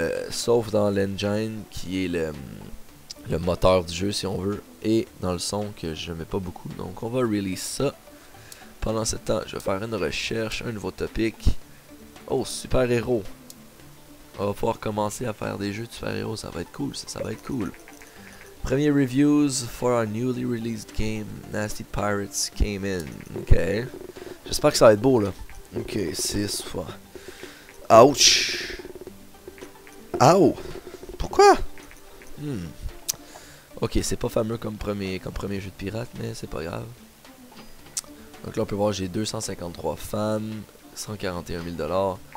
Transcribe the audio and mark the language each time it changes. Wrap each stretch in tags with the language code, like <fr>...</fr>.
<fr>Sauf dans l'engine, qui est le moteur du jeu, si on veut. Et dans le son, que je mets pas beaucoup. Donc on va release ça. Pendant ce temps, je vais faire une recherche, un nouveau topic. Oh, super héros. On va pouvoir commencer à faire des jeux de super héros, ça va être cool, ça va être cool.</fr> <en>Premier reviews for our newly released game, Nasty Pirates came in. Ok.</en> <fr>J'espère que ça va être beau là. Ok, 6 fois. Ouch. Ouch. Pourquoi? Ok, c'est pas fameux comme premier jeu de pirate, mais c'est pas grave. Donc là, on peut voir, j'ai 253 femmes, 141 000$.</fr>